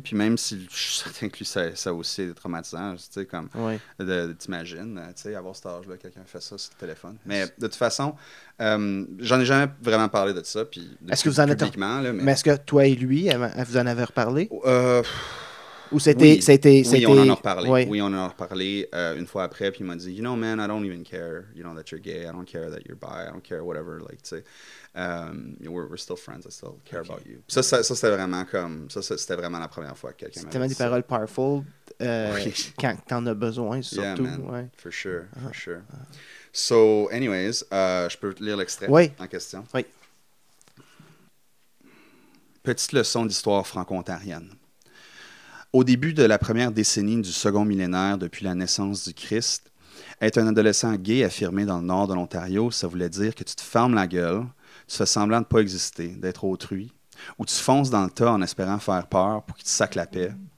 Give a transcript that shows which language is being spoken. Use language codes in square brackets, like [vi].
[fr] Puis même si je suis certain que lui, ça aussi est traumatisant, tu sais, comme... Ouais. T'imagines, tu sais, avoir cet âge-là, quelqu'un fait ça sur le téléphone. Mais de toute façon, j'en ai jamais vraiment parlé de ça, puis publiquement. Mais est-ce que toi et lui, vous en avez reparlé? Ou on en a reparlé une fois après, puis il m'a dit, [en] you know, man, I don't even care, you know, that you're gay, I don't care that you're bi, I don't care, whatever, like, [fr] tu sais, [en] we're still friends, I still care about you. [fr] Puis ça, c'était vraiment comme, ça, c'était vraiment la première fois que quelqu'un m'a dit. C'était tellement des ça. Paroles powerful quand t'en as besoin, surtout. [en] Yeah, man, [fr] ouais. [en] for sure. So, anyways, [fr] je peux lire l'extrait en question. Oui. Petite leçon d'histoire franco-ontarienne. Au début de la première décennie du second millénaire depuis la naissance du Christ, être un adolescent gay affirmé dans le nord de l'Ontario, ça voulait dire que tu te fermes la gueule, tu fais semblant de ne pas exister, d'être autrui, ou tu fonces dans le tas en espérant faire peur pour qu'il te sacque la paix.